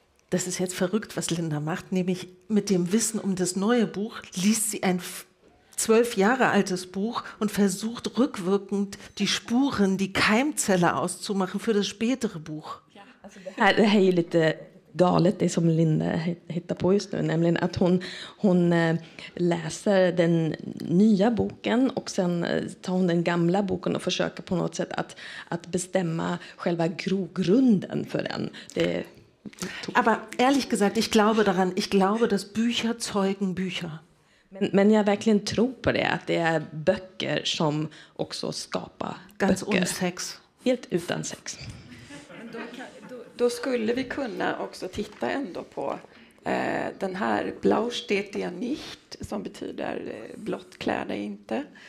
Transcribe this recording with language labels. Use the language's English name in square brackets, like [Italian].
[German] Das ist jetzt verrückt, was Linda macht, nämlich mit dem Wissen um das neue Buch liest sie ein 12 Jahre altes Buch und versucht rückwirkend die Spuren, die Keimzelle auszumachen für das spätere Buch. [Swedish] Ja, [German] also das ist [Swedish] lite galet, det som Linda hittar på just nu, nämligen att hon läser den nya boken och sen tar hon den gamla boken och försöker på något sätt att bestämma själva grogrunden för den. Det är [German] Aber ehrlich gesagt, ich glaube daran, ich glaube, dass Bücher zeugen Bücher. [Swedish] Men jag verkligen tror på det, att det är böcker som också skapar [German] ganz Ganz ohne Sex. [Swedish] Helt utan sex. Då skulle vi kunna också titta ändå på den här Blau steht dir nicht, som betyder blott kläder inte.